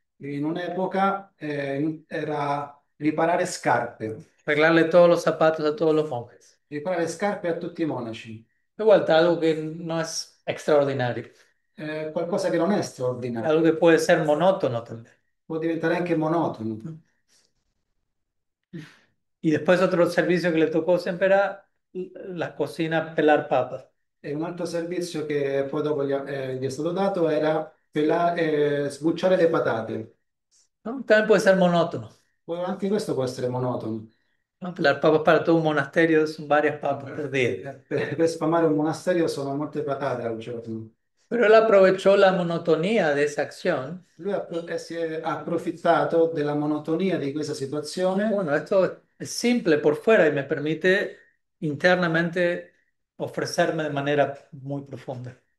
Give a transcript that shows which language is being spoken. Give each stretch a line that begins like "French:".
Italian: in un'epoca, era riparare scarpe.
Spanish: Arreglarle todos los zapatos a todos los monjes.
Italian: Riparare scarpe a tutti i monaci.
Spanish: De vuelta, algo que no es extraordinario.
Italian: Qualcosa che non è straordinario.
Spanish: Algo que puede ser monótono también.
Italian: Può diventare anche monotono.
Spanish: Y después otro servicio que le tocó siempre era la cocina, pelar papas.
Italian: E un altro servizio che poi dopo gli è stato dato era sbucciare le patate.
Spanish: También puede ser monótono.
Italian: Poi anche questo può essere monotono.
Spanish: No, pelar papas para todo un monasterio son varias papas
Italian: per dire. Per sfamare un monastero sono molte patate al giorno.
Spanish: Pero él aprovechó la monotonía de esa acción.
Italian: Lui si è approfittato della monotonia di questa situazione.
Spanish: Bueno, esto es simple por fuera y me permite internamente ofrecerme de manera muy profunda.